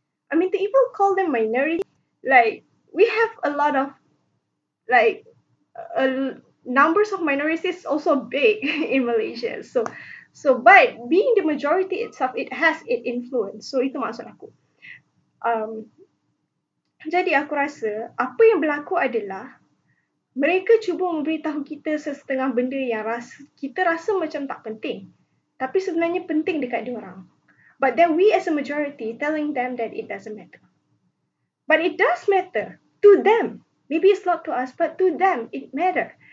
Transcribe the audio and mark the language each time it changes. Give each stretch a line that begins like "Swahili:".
English: I mean, to even call them minority, like, we have a lot of, like, numbers of minorities also big in Malaysia. So, but being the majority itself, it has an influence.
Malay: So, itu maksud aku. Jadi, aku rasa apa yang berlaku adalah mereka cuba memberitahu kita sesetengah benda yang kita rasa macam tak penting. Tapi sebenarnya penting dekat diorang.
English: But then we as a majority telling them that it doesn't matter. But it does matter to them. Maybe it's not to us, but to them it matter.